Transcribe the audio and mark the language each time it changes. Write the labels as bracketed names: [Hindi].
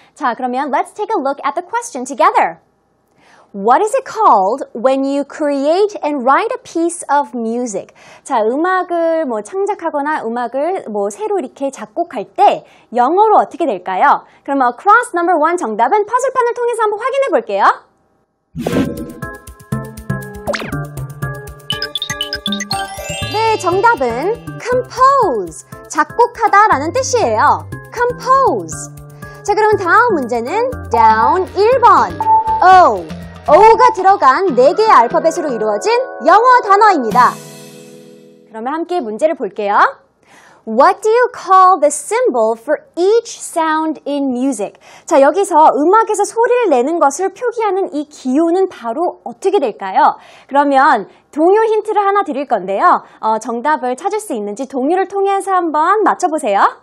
[Korean] 자, 그러면 [English] let's take a look at the question together. What is it called when you create and write a piece of music? [Korean] 자, 음악을 뭐 창작하거나 음악을 뭐 새로 이렇게 작곡할 때 영어로 어떻게 될까요? 그럼 [English] across number 1 [Korean] 정답은 퍼즐판을 통해서 한번 확인해 볼게요. Compose, 작곡하다 라는 뜻이에요. Compose. 자, 그러면 다음 문제는 down 1번. O. O가 들어간 4개의 알파벳으로 이루어진 영어 단어입니다. 그러면 함께 문제를 볼게요. [English] What do you call the symbol for each sound in music? [Korean] 자, 여기서 음악에서 소리를 내는 것을 표기하는 이 기호는 바로 어떻게 될까요? 그러면 동요 힌트를 하나 드릴 건데요. 정답을 찾을 수 있는지 동요를 통해서 한번 맞춰보세요.